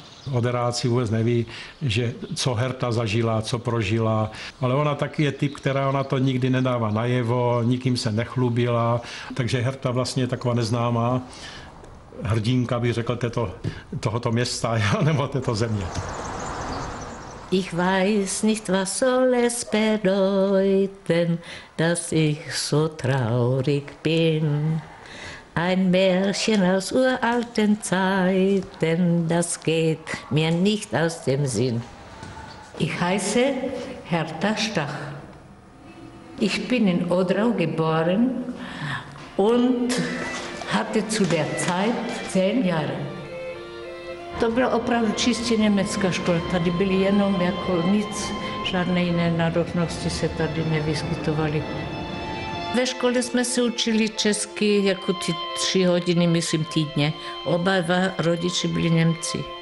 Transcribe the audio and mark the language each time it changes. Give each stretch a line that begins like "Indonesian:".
Czech: Moderáci vůbec neví, že co Herta zažila, co prožila, ale ona taky je typ, která ona to nikdy nedává najevo, nikým se nechlubila, takže Herta vlastně je taková neznámá hrdinka, bych řekl, tohoto města nebo této země.
German: Ich weiß nicht, was soll es bedeuten, dass ich so traurig bin. Ein Märchen aus uralten Zeiten, das geht mir nicht aus dem Sinn. Ich heiße Herta Stach. Ich bin in Odrau geboren und hatte zu der Zeit 10 Jahre.
Czech: To byla opravdu čistě německá škola. Tady byly jenom jako nic, žádné jiné národnosti se tady nevyskytovaly. Ve škole jsme se učili česky jako ty 3 hodiny, myslím, týdně. Oba dva rodiči byli Němci.